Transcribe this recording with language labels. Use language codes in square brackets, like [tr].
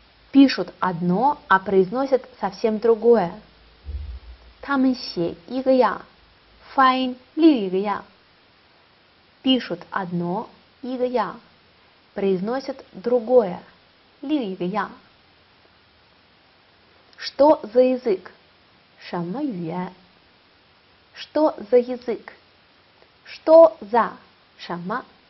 [ru] Пишут одно, а произносят совсем другое. [zh] 他们写一个样,发音另一个样. [ru] Пишут одно, [zh] 一个样, [ru] произносят другое, [zh] 另一个样. [ru] Что за язык? [zh] 什么语言? [ru] Что за язык? Что за [zh] 什么?